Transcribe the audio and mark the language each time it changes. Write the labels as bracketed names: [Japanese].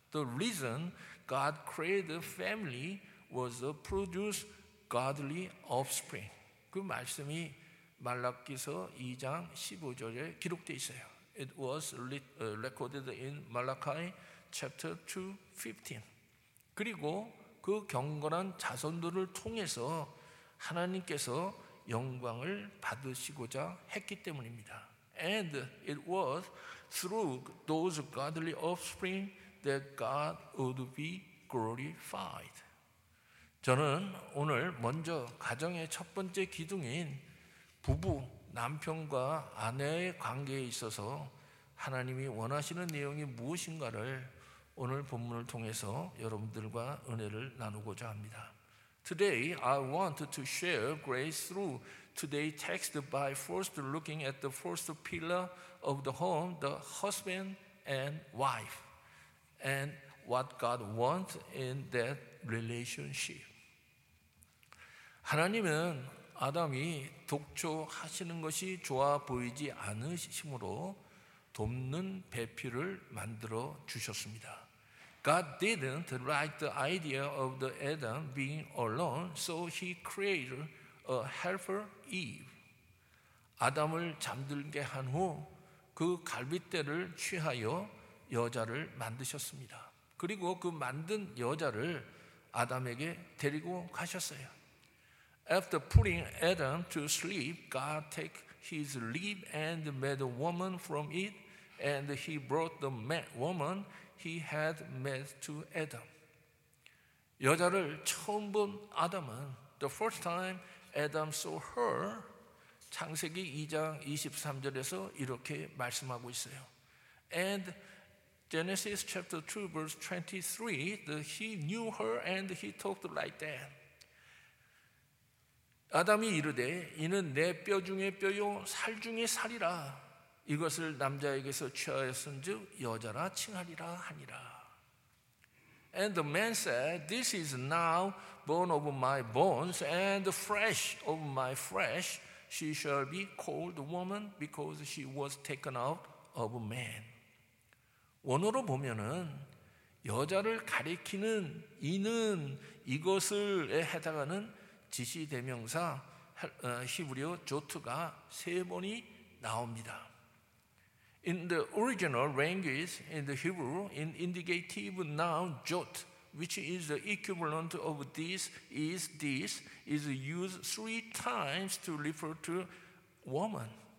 [English] The reason God created family was to produce godly offspring. [Korean] 그 말씀이 말라키서 2장 15절에 기록되어 있어요. [English] It was recorded in Malachi chapter 2, 15. [Korean] 그리고 그 경건한 자손들을 통해서 하나님께서 영광을 받으시고자 했기 때문입니다. [English] And it was through those godly offspring that God would be glorified. [Korean] 저는 오늘 먼저 가정의 첫 번째 기둥인 부부, 남편과 아내의 관계에 있어서 하나님이 원하시는 내용이 무엇인가를 오늘 본문을 통해서 여러분들과 은혜를 나누고자 합니다. [English] Today, I want to share grace through today's text by first looking at the first pillar of the home, the husband and wife, and what God wants in that relationship. [Korean] 하나님은 아담이 독초하시는 것이 좋아 보이지 않으심으로 돕는 배필을 만들어 주셨습니다. [English] God didn't like the idea of the Adam being alone, so he created a helper Eve. [Korean] 아담을 잠들게 한 후 그 갈빗대를 취하여 여자를 만드셨습니다. 그리고 그 만든 여자를 아담에게 데리고 가셨어요. [English] After putting Adam to sleep, God took his rib and made a woman from it, and he brought the woman he had made to Adam. [Korean] 여자를 처음 본 아담은, [English] the first time Adam saw her, [Korean] 창세기 2장 23절에서 이렇게 말씀하고 있어요. [English] And Genesis chapter 2 verse 23, he knew her and he talked like that. [Korean] 아담이 이르되 이는 내 뼈 중에 뼈요 살 중에 살이라 이것을 남자에게서 취하였은즉 여자라 칭하리라 하니라. [English] And the man said, This is now bone of my bones and flesh of my flesh. She shall be called woman because she was taken out of man. [Korean] 원어로 보면은 여자를 가리키는 이는 이것을에 해당하는 지시대명사 히브리어 조트가 세 번이 나옵니다. [English] In the original language in the Hebrew, in indicative noun jot, which is the equivalent of this, is used three times to refer to woman.